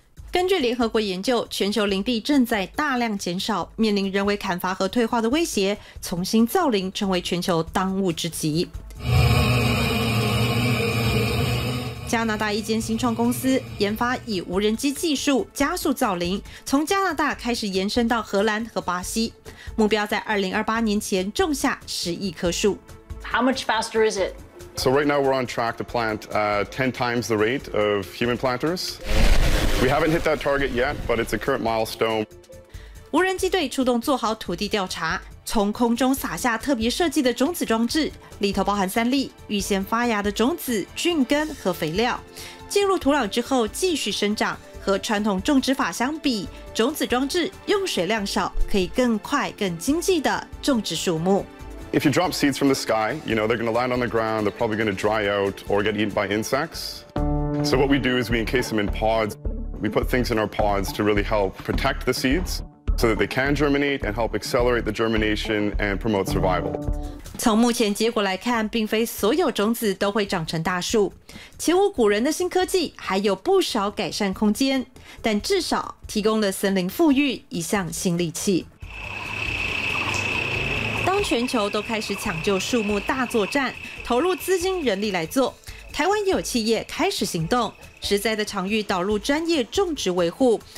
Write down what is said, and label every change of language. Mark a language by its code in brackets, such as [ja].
[zh] 根据联合国研究，全球林地正在大量减少，面临人为砍伐和退化的威胁，重新造林成为全球当务之急。加拿大一间新创公司研发以无人机技术加速造林，从加拿大开始延伸到荷兰和巴西，目标在2028年前种下10亿棵树。 [en] How much faster is it? So right now we're on track to plant 10 times the rate of human planters. We haven't hit that target yet, but it's a current milestone. [zh] 无人机队出动做好土地调查，从空中撒下特别设计的种子装置，里头包含三粒预先发芽的种子、菌根和肥料。进入土壤之后继续生长，和传统种植法相比，种子装置用水量少，可以更快、更经济的种植树木。 [en] If you drop seeds from the sky, you know they're going to land on the ground. They're probably going to dry out or get eaten by insects. So what we do is we encase them in pods. We put things in our pods to really help protect the seeds so that they can germinate and help accelerate the germination and promote survival. [zh] 从目前结果来看，并非所有种子都会长成大树。前无古人的新科技还有不少改善空间，但至少提供了森林富裕一项新利器。当全球都开始抢救树木大作战，投入资金人力来做，台湾也有企业开始行动，实在的场域导入专业种植维护。